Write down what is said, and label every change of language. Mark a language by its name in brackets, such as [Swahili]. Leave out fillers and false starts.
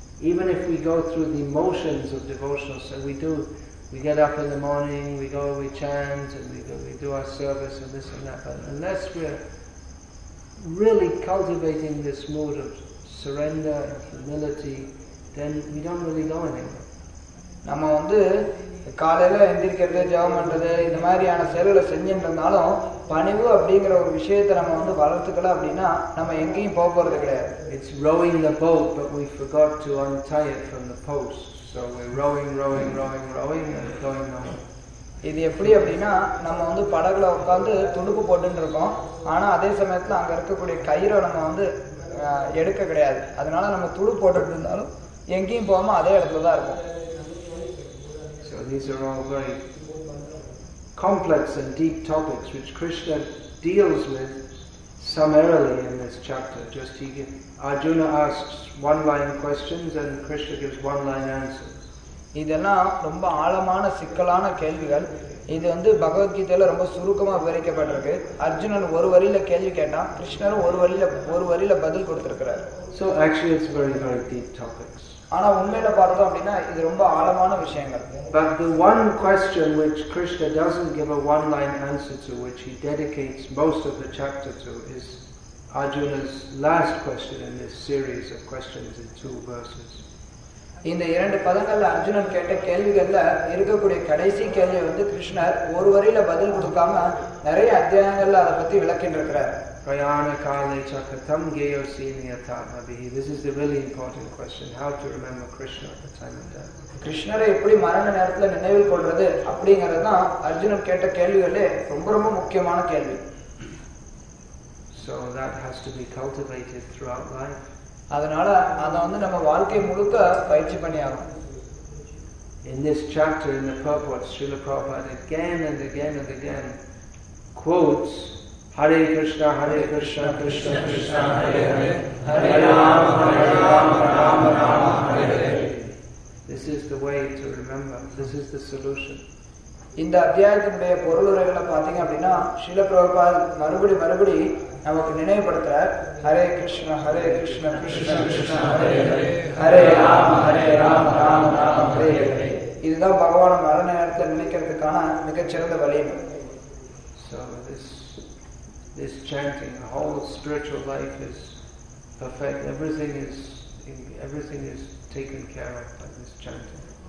[English] Even if we go through the motions of devotional service, we do, we get up in the morning, we go, we chant, and we do our service and this and that, but unless we're really cultivating this mood of surrender and humility, then we don't really go anywhere. [Tamil] நம்ம வந்து காலையில எந்திரிக்கிறது, ஜெபம் பண்றது, இந்த மாதிரியான செயல்களை செஞ்சுட்டு இருந்தாலும் பணிவு அப்படிங்கிற ஒரு விஷயத்தை நம்ம வந்து வளர்த்துக்கல அப்படின்னா நம்ம எங்கேயும் போக போறது கிடையாது. [English] It's rowing the boat, but we forgot to untie it from the post. So we're rowing, rowing, rowing, rowing, and going nowhere. [Tamil] இது எப்படி அப்படின்னா நம்ம வந்து படகுல உட்காந்து துடுப்பு போட்டுட்டு இருக்கோம், ஆனா அதே சமயத்துல அங்க இருக்கக்கூடிய கயிறை நம்ம வந்து எடுக்க கிடையாது. அதனால நம்ம துடுப்பு போட்டுட்டு இருந்தாலும் எங்கேயும் போகாம அதே இடத்துலதான் இருக்கும். [English] These are all very complex and deep topics which Krishna deals with summarily in this chapter. Just he gives, Arjuna asks one line questions and Krishna gives one line answers. [Tamil] இதெல்லாம் ரொம்ப ஆழமான சிக்கலான கேள்விகள். இது வந்து பகவத் கீதையில ரொம்ப சுருக்கமா விவரிக்கப்பட்டிருக்கு. அர்ஜுனன் ஒரு வரியில கேள்வி கேட்டா கிருஷ்ணரும் ஒரு வரியில பதில் கொடுத்திருக்கிறார். [English] So actually it's very very deep topics. [Tamil] ஆனா உண்மையில பார்த்தோம் அப்படின்னா இது ரொம்ப ஆழமான விஷயங்கள். [English] But the one question which Krishna doesn't give a one-line answer to, which he dedicates most of the chapter to, is Arjuna's last question in this series of questions in two verses. [Tamil] இந்த இரண்டு பதங்கள்ல அர்ஜுனன் கேட்ட கேள்விகள்ல இருக்கக்கூடிய கடைசி கேள்வி வந்து கிருஷ்ணர் ஒரு வரியில பதில் கொடுக்காம நிறைய அத்தியாயங்கள்ல அதை பத்தி விளக்கின்றிருக்கிறார். [Sanskrit] Prayana kale chakatam geyo siniyata abhihi. [English] This is the really important question, how to remember Krishna at the time of death. [Tamil] கிருஷ்ணரை எப்படி மரண நேரத்துல நினைவில் கொள்றது அப்படிங்கறதுதான் அர்ஜுனன் கேட்ட கேள்விகளே ரொம்ப ரொம்ப முக்கியமான கேள்வி. [English] So that has to be cultivated throughout life. [Tamil] அதனால அதை வந்து நம்ம வாழ்க்கை முழுக்க பயிற்சி பண்ணியாகும். [English] In this chapter, in the purport, Srila Prabhupada again and again and again quotes Hare Krishna, Krishna Krishna, Hare Hare, Hare Rama, Hare Rama, Rama Rama, Hare Hare. This is the way to remember. This is the solution. [Tamil] இந்த அத்தியாயத்தினுடைய பொருள் உரைகளை பார்த்தீங்க அப்படின்னா ஸ்ரீல பிரபுபாத் மறுபடி மறுபடி நமக்கு நினைவுபடுத்துற ஹரே கிருஷ்ண ஹரே கிருஷ்ண கிருஷ்ண கிருஷ்ண ஹரே ஹரே ஹரே ராம ராம ராம ராம ஹரே ஹரே. இதுதான் பகவான் மரண நேரத்தை நினைக்கிறதுக்கான மிகச்சிறந்த வழி. [English] So this chanting, the whole spiritual life is perfect. Everything is taken care of by this chanting.